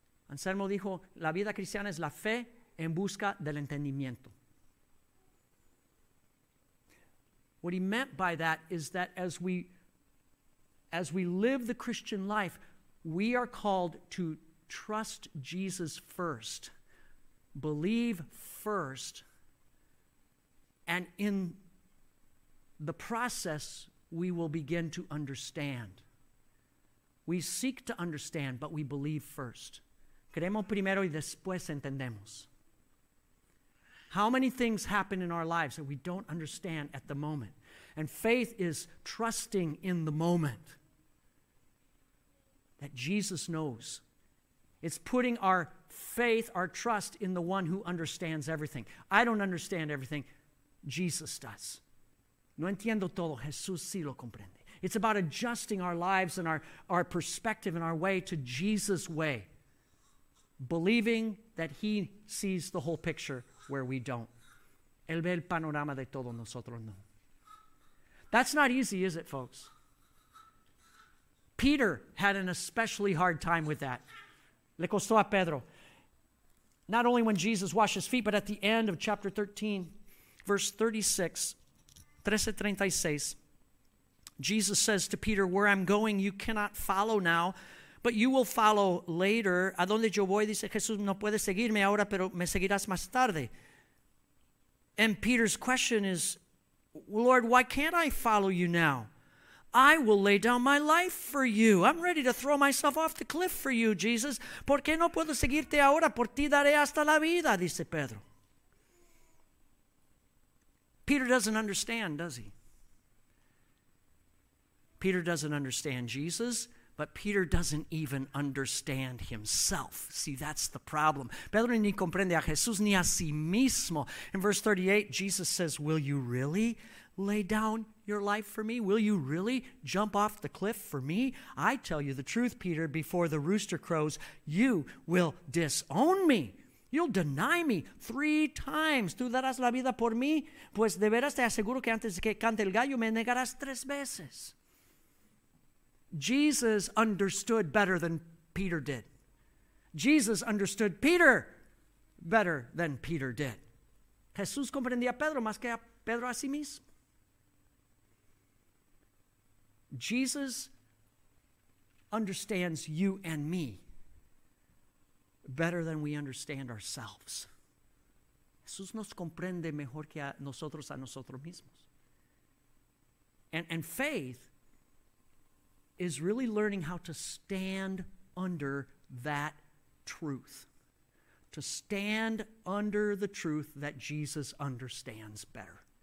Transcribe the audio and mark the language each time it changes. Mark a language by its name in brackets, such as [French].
[Spanish] Anselmo dijo, la vida cristiana es la fe en busca del entendimiento. [English] What he meant by that is that as we as we live the Christian life, we are called to trust Jesus first, believe first, and in the process, we will begin to understand. We seek to understand, but we believe first. [Spanish] Creemos primero y después entendemos. [English] How many things happen in our lives that we don't understand at the moment? And faith is trusting in the moment that Jesus knows. It's putting our faith, our trust in the one who understands everything. I don't understand everything. Jesus does. [Spanish] No entiendo todo. Jesús sí lo comprende. [English] It's about adjusting our lives and our perspective and our way to Jesus' way, believing that he sees the whole picture where we don't. [Spanish] Él ve el panorama de todo, nosotros no. [English] That's not easy, is it, folks? Peter had an especially hard time with that. [Spanish] Le costó a Pedro. [English] Not only when Jesus washed his feet, but at the end of chapter 13, verse 36, 13:36, Jesus says to Peter, "Where I'm going, you cannot follow now, but you will follow later." [Spanish] A donde yo voy, dice Jesús, no puedes seguirme ahora, pero me seguirás más tarde. [English] And Peter's question is, "Lord, why can't I follow you now? I will lay down my life for you. I'm ready to throw myself off the cliff for you, Jesus. [Spanish] ¿Por qué no puedo seguirte ahora? Por ti daré hasta la vida," dice Pedro. [English] Peter doesn't understand, does he? Peter doesn't understand Jesus, but Peter doesn't even understand himself. See, that's the problem. [Spanish] Pedro ni comprende a Jesús ni a sí mismo. [English] In verse 38, Jesus says, "Will you really lay down your life for me? Will you really jump off the cliff for me? I tell you the truth, Peter, before the rooster crows, you will disown me. You'll deny me three times. [Spanish] ¿Tú darás la vida por mí? Pues de veras te aseguro que antes que cante el gallo me negarás tres veces." [English] Jesus understood better than Peter did. Jesus understood Peter better than Peter did. [Spanish] Jesús comprendía a Pedro más que a Pedro a sí mismo. [English] Jesus understands you and me better than we understand ourselves. [Spanish] Jesús nos comprende mejor que a nosotros mismos. [English] And faith is really learning how to stand under that truth. To stand under the truth that Jesus understands better.